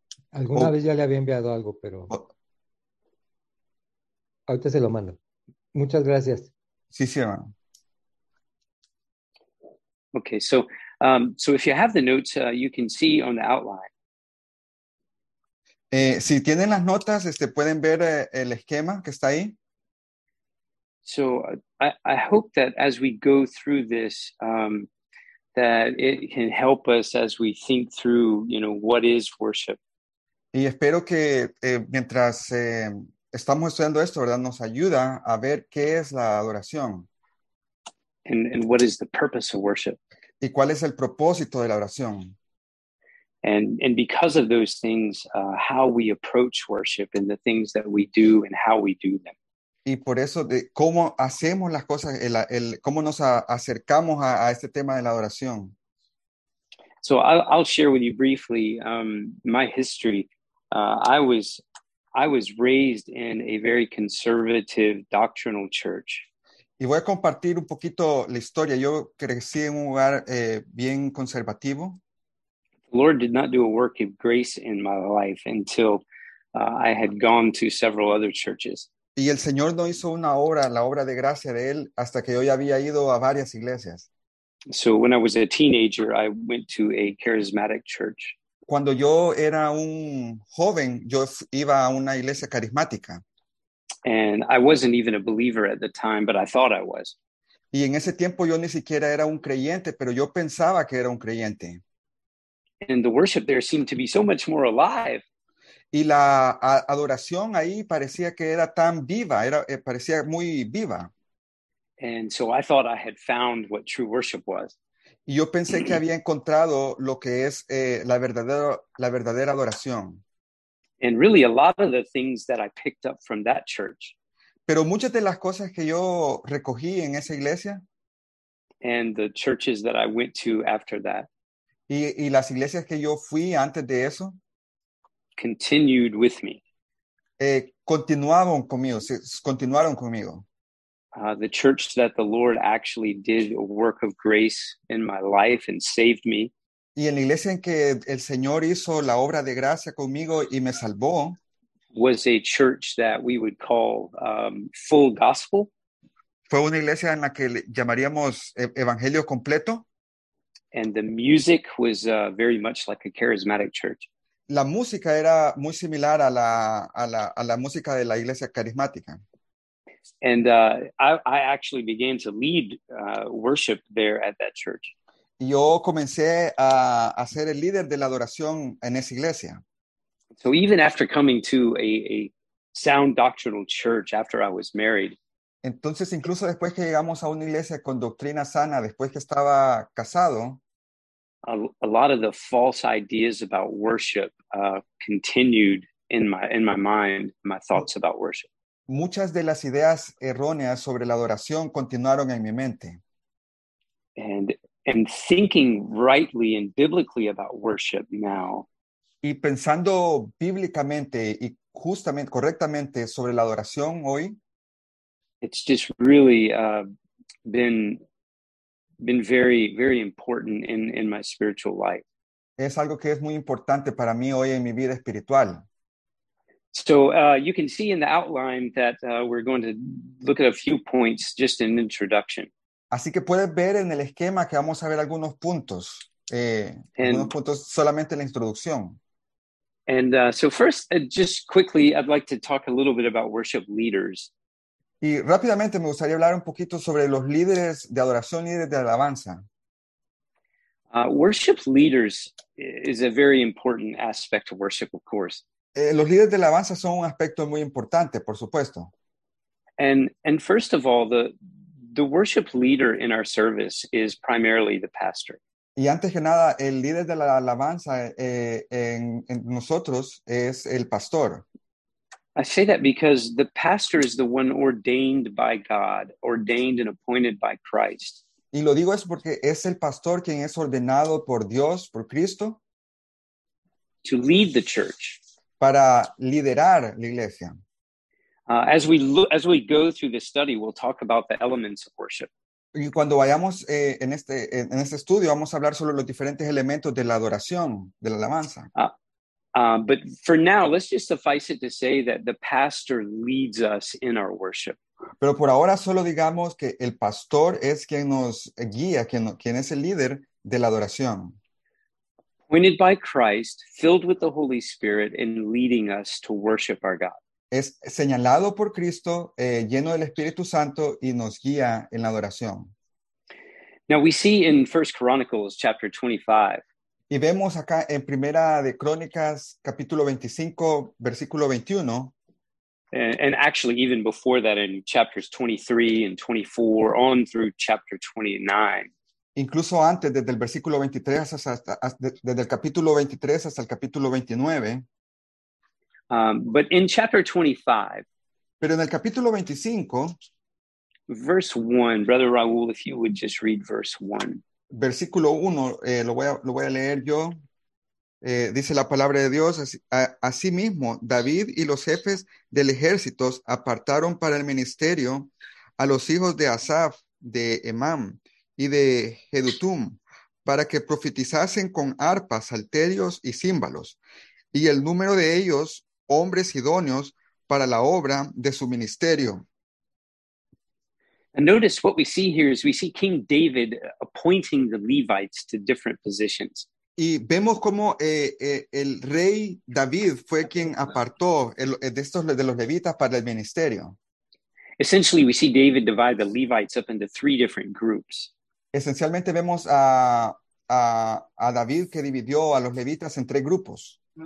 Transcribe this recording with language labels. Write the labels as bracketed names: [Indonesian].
[Spanish] Alguna vez ya le había enviado algo, pero ahorita se lo mando. Muchas gracias. Sí, hermano. [English] Okay, so if you have the notes, you can see on the outline. [Spanish] Si tienen las notas, pueden ver el esquema que está ahí. [English] So I hope that as we go through this, that it can help us as we think through, what is worship. [Spanish] Y espero que mientras estamos estudiando esto, ¿verdad? Nos ayuda a ver qué es la adoración. [English] And what is the purpose of worship? [Spanish] ¿Y cuál es el propósito de la oración? [English] And because of those things, how we approach worship and the things that we do and how we do them. [Spanish] Y por eso, de cómo hacemos las cosas, cómo nos acercamos a este tema de la adoración. [English] So I'll share with you briefly my history. I was raised in a very conservative doctrinal church. [Spanish] Y voy a compartir un poquito la historia. Yo crecí en un lugar bien conservativo. [English] Lord did not do a work of grace in my life until I had gone to several other churches. [Spanish] Y el Señor no hizo una obra, la obra de gracia de Él, hasta que yo ya había ido a varias iglesias. [English] So when I was a teenager, I went to a charismatic church. [Spanish] Cuando yo era un joven, yo iba a una iglesia carismática. [English] And I wasn't even a believer at the time, but I thought I was. [Spanish] Y en ese tiempo yo ni siquiera era un creyente, pero yo pensaba que era un creyente. [English] And the worship there seemed to be so much more alive. [Spanish] Y la adoración ahí parecía que era tan viva, parecía muy viva. [English] And so I thought I had found what true worship was. [Spanish] Y yo pensé que había encontrado lo que es la verdadera adoración. [English] And really, a lot of the things that I picked up from that church [Spanish] Pero muchas de las cosas que yo recogí en esa iglesia [English] and the churches that I went to after that [Spanish] y las iglesias que yo fui antes de eso, [English] continued with me. [Spanish] continuaron conmigo. [English] The church that the Lord actually did a work of grace in my life and saved me. [Spanish] Y en la iglesia en que el Señor hizo la obra de gracia conmigo y me salvó, [English] Was a church that we would call full gospel. [Spanish] fue una iglesia en la que llamaríamos evangelio completo. [English] And the music was very much like a charismatic church. [Spanish] La música era muy similar a la música de la iglesia carismática. [English] And I actually began to lead worship there at that church. [Spanish] Yo comencé a ser el líder de la adoración en esa iglesia. [English] So even after coming to a sound doctrinal church after I was married, [Spanish] Entonces, incluso después que llegamos a una iglesia con doctrina sana, después que estaba casado, [English] a lot of the false ideas about worship continued in my mind, my thoughts about worship. [Spanish] muchas de las ideas erróneas sobre la adoración continuaron en mi mente. [English] And thinking rightly and biblically about worship now. [Spanish] Y pensando bíblicamente y justamente, correctamente sobre la adoración hoy, [English] It's just really been very, very important in my spiritual life. [Spanish] Es algo que es muy importante para mí hoy en mi vida espiritual. [English] So you can see in the outline that we're going to look at a few points, just an introduction. [Spanish] Así que puedes ver en el esquema que vamos a ver algunos puntos, algunos puntos solamente en la introducción. [English] And so first, just quickly, I'd like to talk a little bit about worship leaders. [Spanish] Y rápidamente me gustaría hablar un poquito sobre los líderes de adoración, líderes de alabanza. [English] Worship leaders is a very important aspect of worship, of course. [Spanish] Los líderes de alabanza son un aspecto muy importante, por supuesto. [English] And first of all, the worship leader in our service is primarily the pastor. [Spanish] Y antes que nada, el líder de la alabanza en nosotros es el pastor. [English] I say that because the pastor is the one ordained by God, ordained and appointed by Christ. [Spanish] Y lo digo es porque es el pastor quien es ordenado por Dios, por Cristo. [English] To lead the church. [Spanish] Para liderar la iglesia. [English] As we go through this study, we'll talk about the elements of worship. [Spanish] Y cuando vayamos en este estudio, vamos a hablar sobre los diferentes elementos de la adoración, de la alabanza. [English] But for now, let's just suffice it to say that the pastor leads us in our worship. [Spanish] Pero por ahora solo digamos que el pastor es quien nos guía, quien es el líder de la adoración. [English] Appointed by Christ, filled with the Holy Spirit, and leading us to worship our God. [Spanish] Es señalado por Cristo, lleno del Espíritu Santo, y nos guía en la adoración. [English] Now we see in 1 Chronicles chapter 25. [Spanish] Y vemos acá en Primera de Crónicas, capítulo 25, versículo 21. [English] And actually even before that in chapters 23 and 24, on through chapter 29. [Spanish] Incluso antes, desde el versículo 23 hasta desde el capítulo 23 hasta el capítulo 29. [English] But in chapter 25. [Spanish] Pero en el capítulo 25. [English] Verse 1, Brother Raúl, if you would just read verse 1. [Spanish] Versículo 1, lo voy a leer yo. Dice la palabra de Dios, asimismo, David y los jefes del ejército apartaron para el ministerio a los hijos de Asaf, de Emam y de Jedutum, para que profetizasen con arpas, salterios y címbalos, y el número de ellos, hombres idóneos para la obra de su ministerio. [English] And notice what we see here is we see King David appointing the Levites to different positions. [Spanish] Y vemos cómo el rey David fue quien apartó de los levitas para el ministerio. [English] Essentially, we see David divide the Levites up into three different groups. [Spanish] Esencialmente vemos a David que dividió a los levitas en tres grupos.